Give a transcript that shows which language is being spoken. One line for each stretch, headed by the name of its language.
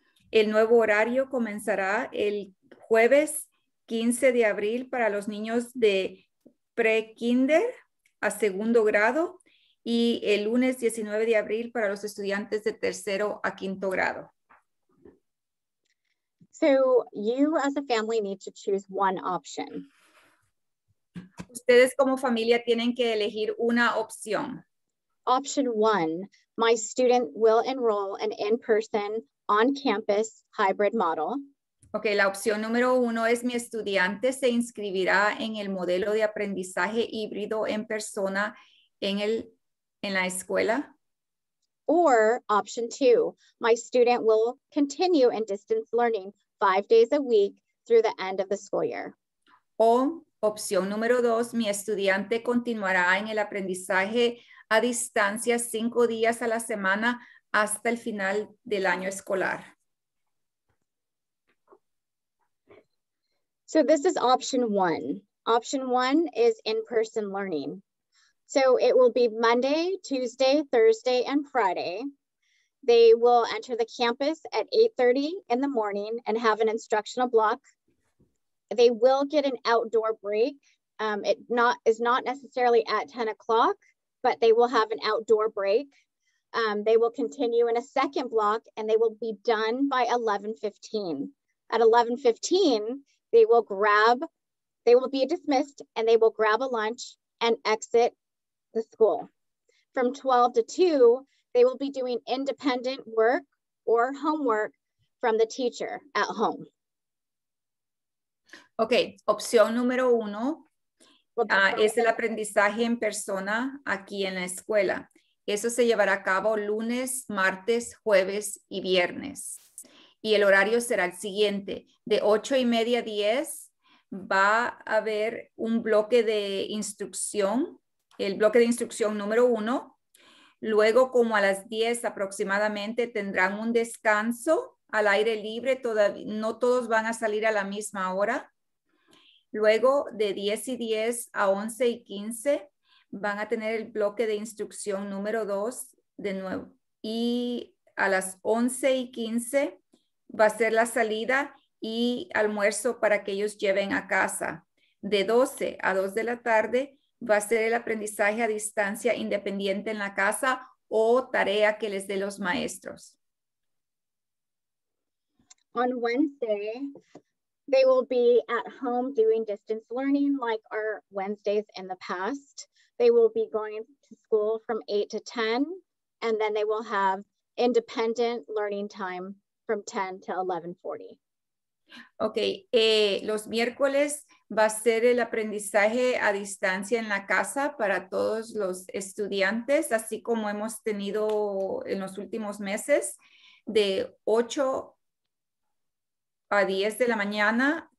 Spanish: El nuevo horario comenzará el jueves 15 de abril para los niños de pre-kinder a segundo grado y el lunes 19 de abril para los estudiantes de tercero a quinto grado.
English: So you as a family need to choose one option.
Spanish: Ustedes como familia tienen que elegir una opción.
English: Option one, my student will enroll in in-person, on-campus, hybrid model.
Spanish: Okay, la opción número uno es mi estudiante se inscribirá en el modelo de aprendizaje híbrido en persona en el en la escuela.
English: Or option two, my student will continue in distance learning 5 days a week through the end of the school year.
Spanish: O opción número dos, mi estudiante continuará en el aprendizaje a distancia 5 días a la semana hasta el final del año escolar.
English: So this is option one. Option one is in-person learning. So it will be Monday, Tuesday, Thursday, and Friday. They will enter the campus at 8:30 in the morning and have an instructional block. They will get an outdoor break. It is not necessarily at 10 o'clock, but they will have an outdoor break. They will continue in a second block and they will be done by 11:15. At 11:15, they will be dismissed and they will grab a lunch and exit the school. From 12 to 2, they will be doing independent work or homework from the teacher at home.
Spanish: Okay, opción número uno es el aprendizaje en persona aquí en la escuela. Eso se llevará a cabo lunes, martes, jueves y viernes. Y el horario será el siguiente. De 8:30 a 10 va a haber un bloque de instrucción, el bloque de instrucción número uno. Luego, como a las 10 aproximadamente, tendrán un descanso al aire libre. Todavía, no todos van a salir a la misma hora. Luego, de 10:10 a 11:15, van a tener el bloque de instrucción número dos de nuevo. Y a las 11:15 va a ser la salida y almuerzo para que ellos lleven a casa. De 12 a 2 de la tarde va a ser el aprendizaje a distancia independiente en la casa o tarea que les dé los maestros.
English: On Wednesday, they will be at home doing distance learning like our Wednesdays in the past. They will be going to school from 8 to 10 and then they will have independent learning time from 10 to 11:40.
Spanish: Okay, los miércoles va a ser el aprendizaje a distancia en la casa para todos los estudiantes, así como hemos tenido en los últimos meses, de 8 a 10 de la mañana.